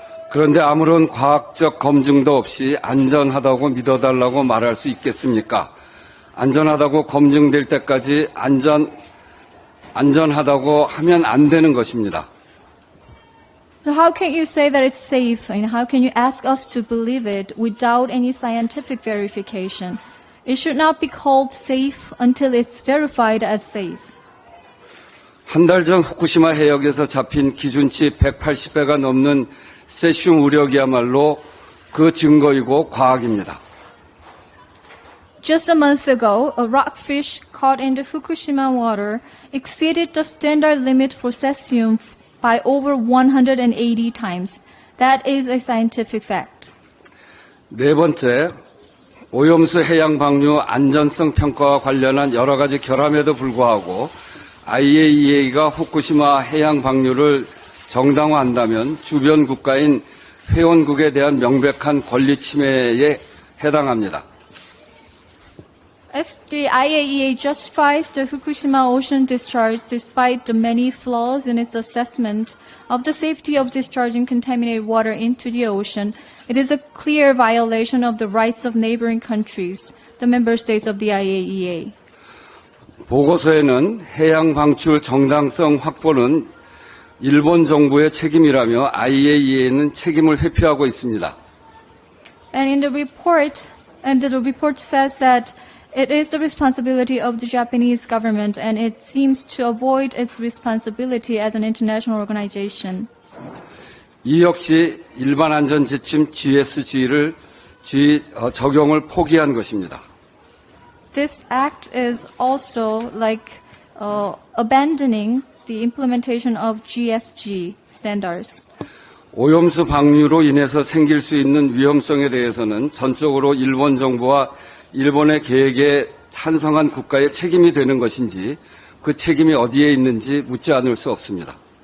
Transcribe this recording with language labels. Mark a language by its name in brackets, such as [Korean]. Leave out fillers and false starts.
[Korean] 그런데 아무런 과학적 검증도 없이 안전하다고 믿어달라고 말할 수 있겠습니까? 안전하다고 검증될 때까지 안전하다고 하면 안 되는 것입니다. [English] So how can you say that it's safe? And how can you ask us to believe it without any scientific verification? It should not be called safe until it's verified as safe. [Korean] 한 달 전 후쿠시마 해역에서 잡힌 기준치 180배가 넘는 세슘 우력이야말로 그 증거이고 과학입니다. [English] Just a month ago, a rockfish caught in the Fukushima water exceeded the standard limit for cesium by over 180 times. That is a scientific fact. [Korean] 네 번째, 오염수 해양 방류 안전성 평가와 관련한 여러 가지 결함에도 불구하고 IAEA가 후쿠시마 해양 방류를 정당화한다면 주변 국가인 회원국에 대한 명백한 권리 침해에 해당합니다. [English] If the IAEA justifies the Fukushima ocean discharge despite the many flaws in its assessment of the safety of discharging contaminated water into the ocean, it is a clear violation of the rights of neighboring countries, the member states of the IAEA. [Korean] 보고서에는 해양 방출 정당성 확보는 일본 정부의 책임이라며 IAEA는 책임을 회피하고 있습니다. [English] And in the report, and the report says that it is the responsibility of the Japanese government and it seems to avoid its responsibility as an international organization. [Korean] 이 역시 일반 안전 지침 GSG를 적용을 포기한 것입니다. [English] This act is also like abandoning the implementation of GSG standards. [Korean] 오염수 방류로 인해서 생길 수 있는 위험성에 대해서는 전적으로 일본 정부와 일본의 계획에 찬성한 국가의 책임이 되는 것인지 그 책임이 어디에 있는지 묻지 않을 수 없습니다.